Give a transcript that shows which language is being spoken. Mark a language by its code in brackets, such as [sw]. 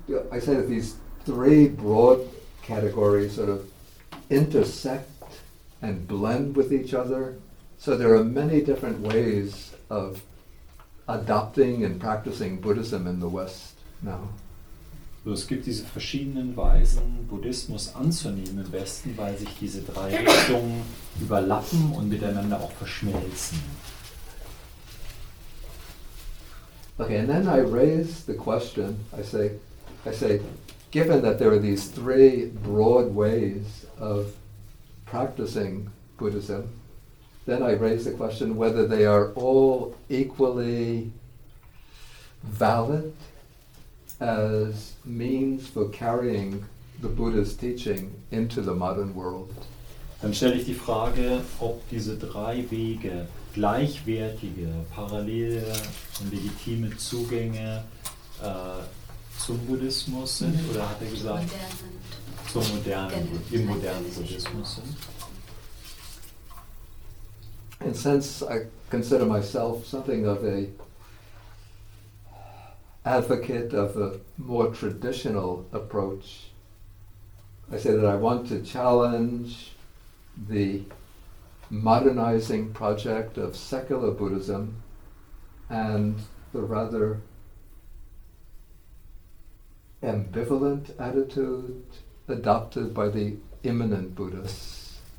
[en] I say that these three broad categories sort of intersect and blend with each other. So there are many different ways of adopting and practicing Buddhism in the West now. [de] So es gibt diese verschiedenen Weisen, Buddhismus anzunehmen im Westen, weil sich diese drei Richtungen überlappen und miteinander auch verschmelzen. [en] Okay, and then I raise the question, I say, given that there are these three broad ways of practicing Buddhism, then I raise the question whether they are all equally valid as means for carrying the Buddha's teaching into the modern world. [de] Dann stelle ich die Frage, ob diese drei Wege, gleichwertige, parallele und legitime Zugänge zum Buddhismus sind, oder hat er gesagt, zum modernen, im modernen Buddhismus sind? [en] In a sense, I consider myself something of a advocate of a more traditional approach. I say that I want to challenge the modernizing project of secular Buddhism and the rather ambivalent attitude adopted by the immanent Buddhists.